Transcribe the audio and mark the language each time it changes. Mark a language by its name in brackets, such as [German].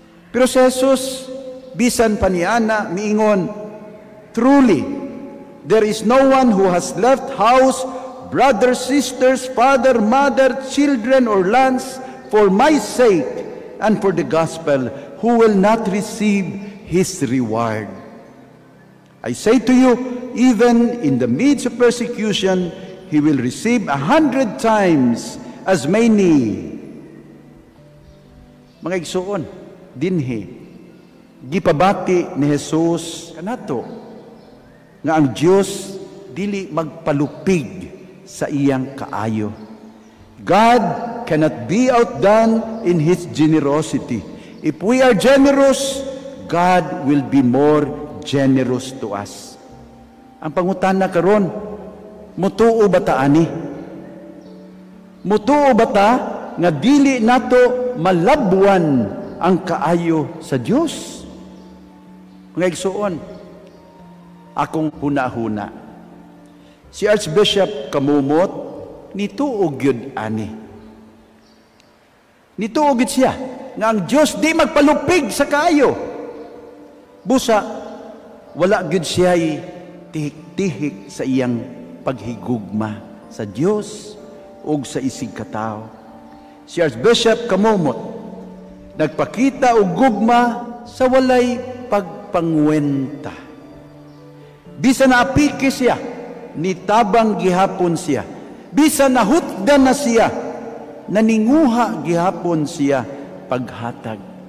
[Cebuano] Pero si Jesus, bisan pa ni ana, miingon, [English] "Truly, there is no one who has left house, brothers, sisters, father, mother, children, or lands for my sake and for the gospel who will not receive his reward. I say to you, even in the midst of persecution, he will receive 100 times as many." [Cebuano] Mga igsoon, dinhi, gipabati ni Jesus kanato nga ang Dios dili magpalupig sa iyang kaayo. [English] God cannot be outdone in His generosity. If we are generous, God will be more generous to us. [Cebuano] Ang pangutan na karon, mutuo ba ta ani? Mutuo ba ta nga dili nato malabuan ang kaayo sa Dios? Mga igsoon, akong huna-huna, si Archbishop Kamumot nituog yun ani. Nituog yun siya na ang Diyos di magpalupig sa kaayo. Busa, wala yun siya ay tihik-tihik sa iyang paghigugma sa Diyos o sa isig katao. Si Archbishop Kamumot nagpakita o gugma sa walay pagpangwenta. Bisa na apike siya, nitabang gihapon siya. Bisa nahutdan na siya, naninguha gihapon siya paghatag.